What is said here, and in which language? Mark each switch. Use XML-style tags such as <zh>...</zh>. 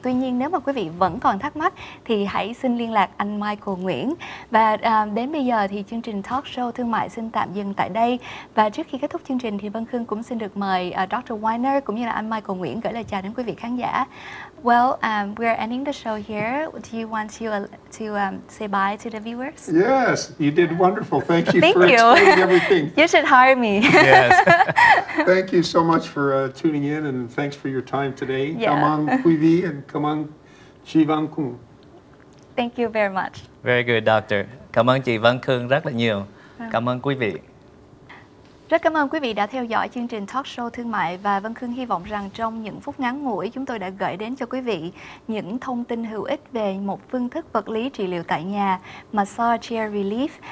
<vi>Tuy nhiên, nếu mà quý vị vẫn còn thắc mắc thì hãy xin liên lạc anh Michael Nguyễn. Và đến bây giờ thì chương trình Talk Show Thương mại xin tạm dừng tại đây. Và trước khi kết thúc chương trình thì Vân Khương cũng xin được mời Dr. Weiner cũng như là anh Michael Nguyễn gửi lời chào đến quý vị khán giả.</vi> <en>Well, we are ending the show here. Do you want to say bye to the viewers? Yes, you did wonderful. Thank you. Thank for you. Explaining everything. You should hire me. Yes. Thank you so much for tuning in, and thanks for your time today. Yeah.</en> <vi>Cảm ơn quý vị, and cảm ơn chị Vân Khương.</vi> <en>Thank you very much. Very good, doctor.</en> <vi>Cảm ơn chị Vân Khương rất là nhiều. Cảm ơn quý vị. Rất cảm ơn quý vị đã theo dõi chương trình Talk Show Thương mại, và Vân Khương hy vọng rằng trong những phút ngắn ngủi chúng tôi đã gửi đến cho quý vị những thông tin hữu ích về một phương thức vật lý trị liệu tại nhà, Massage Chair Relief.</vi>